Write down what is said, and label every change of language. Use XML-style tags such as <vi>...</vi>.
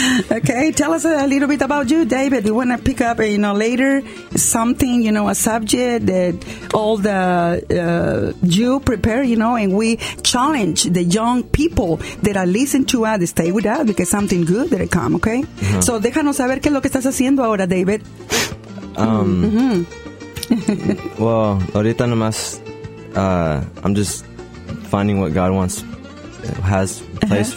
<en>Okay, tell us a little bit about you, David. We want to pick up, you know, later something, you know, a subject that all the you prepare, you know, and we challenge the young people that are listening to us to stay with us because something good that come, okay? Uh-huh.</en> <es>So, déjanos saber qué es lo que estás haciendo ahora, David.</es> <en>Well,</en> <es>ahorita nomás,</es> <en>I'm just finding what God wants, has placed uh-huh.</en>